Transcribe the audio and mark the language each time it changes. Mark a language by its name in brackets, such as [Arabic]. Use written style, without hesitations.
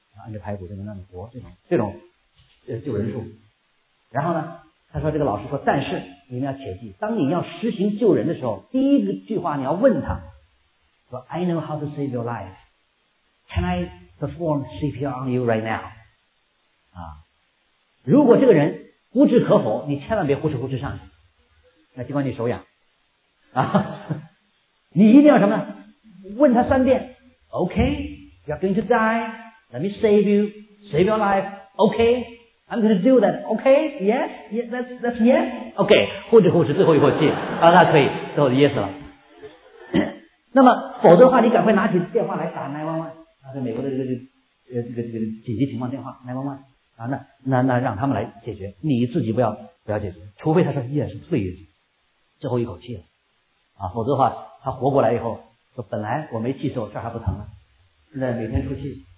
[Chinese] 按着排骨在那里活，这种救人术。然后呢，他说这个老师说，但是你们要切记，当你要实行救人的时候，第一个句话你要问他，说 [English] I know how to save your life, can I perform CPR on you right now？ [Chinese] 啊，如果这个人不置可否，你千万别呼哧呼哧上去，那尽管你手痒啊，你一定要什么呢？问他三遍 [English] ，OK， you're going to die。 Let me save you, save your life. Okay, I'm going to do that. Okay, yes, yes, that's yes. [Chinese] Okay, 呼哧呼哧，最后一口气啊，那可以，最后 yes 了。那么，否则的话，你赶快拿起电话来打911，那是美国的这个紧急情况电话911啊，那让他们来解决，你自己不要解决，除非他说 yes， 最后最后一口气了啊，否则的话，他活过来以后说本来我没气受，这还不疼了，现在每天出气。